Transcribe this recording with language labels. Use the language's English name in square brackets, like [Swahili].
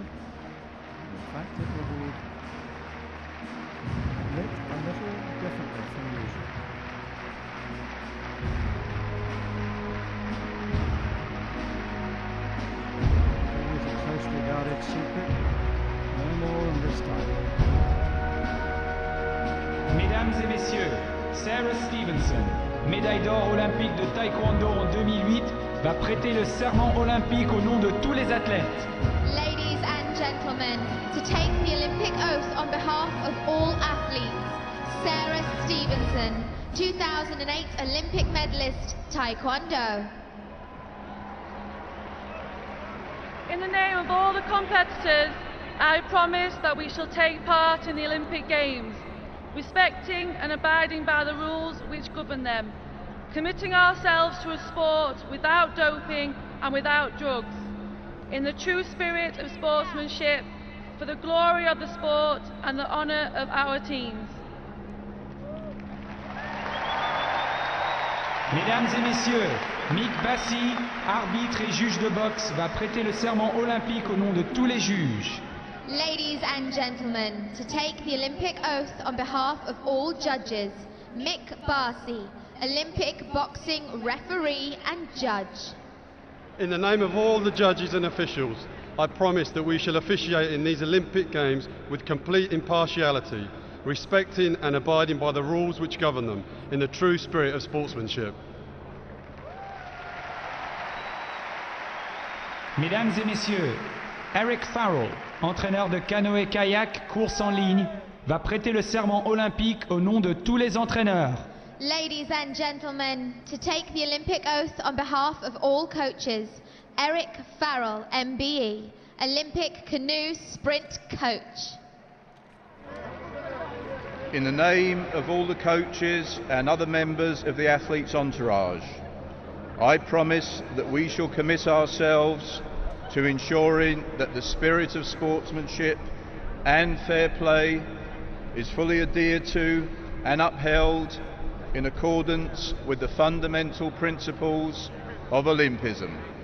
[English] In fact, it will be lit a little differently from usual. It is a closely guarded secret, no more than this time. [French] Mesdames et messieurs, Sarah Stevenson, médaille d'or olympique de taekwondo en 2008, va prêter le serment olympique au nom de tous les athlètes. [English] Ladies and gentlemen, to take the Olympic oath on behalf of all athletes, Sarah Stevenson, 2008 Olympic medalist, Taekwondo. In the name of all the competitors, I promise that we shall take part in the Olympic Games. respecting and abiding by the rules which govern them, committing ourselves to a sport without doping and without drugs, in the true spirit of sportsmanship, for the glory of the sport and the honour of our teams. [French] Mesdames et messieurs, Mick Bassi, arbitre et juge de boxe, va prêter le serment olympique au nom de tous les juges. [English] Ladies and gentlemen, to take the Olympic oath on behalf of all judges, Mick Bassi, Olympic boxing referee and judge. In the name of all the judges and officials, I promise that we shall officiate in these Olympic Games with complete impartiality, respecting and abiding by the rules which govern them, in the true spirit of sportsmanship. [French] Mesdames et messieurs, Eric Farrell, entraîneur de canoë-kayak, course en ligne, va prêter le serment olympique au nom de tous les entraîneurs. [English] Ladies and gentlemen, to take the Olympic oath on behalf of all coaches, Eric Farrell, MBE, Olympic canoe sprint coach. In the name of all the coaches and other members of the athletes' entourage, I promise that we shall commit ourselves to ensuring that the spirit of sportsmanship and fair play is fully adhered to and upheld in accordance with the fundamental principles of Olympism.